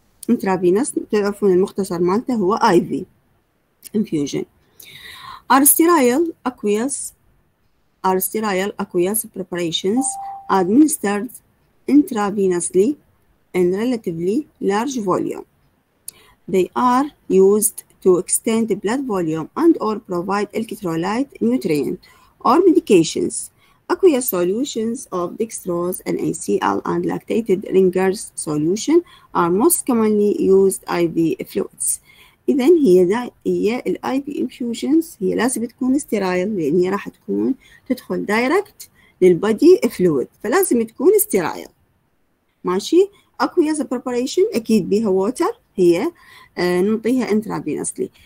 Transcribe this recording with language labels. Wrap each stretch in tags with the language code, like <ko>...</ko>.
<ar>انترافينوس تعرفون المختصر مالته هو اي في انفيوجن.</ar> <en>Are sterile aqueous, are sterile aqueous preparations administered intravenously in relatively large volume. They are used to extend the blood volume and or provide electrolyte nutrient or medications. Aqueous solutions of dextrose and NaCl and lactated Ringer's solution are most commonly used IV fluids.</en> <ar>إذا هي الـ IV infusions هي لازم تكون sterile، لأن هي راح تكون تدخل direct للبادي fluid، فلازم تكون sterile. ماشي. اكويس بريباريشن اكيد بيها ووتر، هي نعطيها انترافينسلي.</ar>